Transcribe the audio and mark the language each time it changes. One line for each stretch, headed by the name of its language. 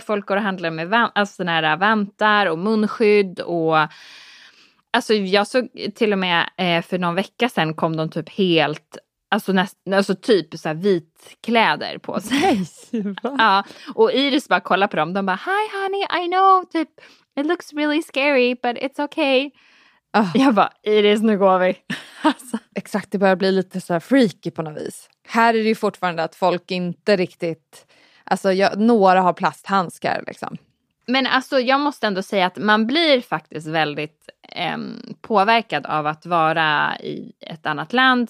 Swedish: Folk går och handlar med vantar och munskydd och. Alltså jag såg till och med för någon vecka sedan kom de typ helt. Alltså typ så här vitkläder på sig. Nej, ja, och Iris bara kollar på dem. De bara, hi honey, I know.
English: Typ, it looks really scary, but it's okay. Oh.
Swedish: Jag bara, Iris, nu går vi. Exakt, det börjar bli lite så här freaky på något vis. Här är det ju fortfarande att folk inte riktigt. Alltså, några har plasthandskar liksom. Men alltså, jag måste ändå säga att man blir faktiskt väldigt påverkad av att vara i ett annat land.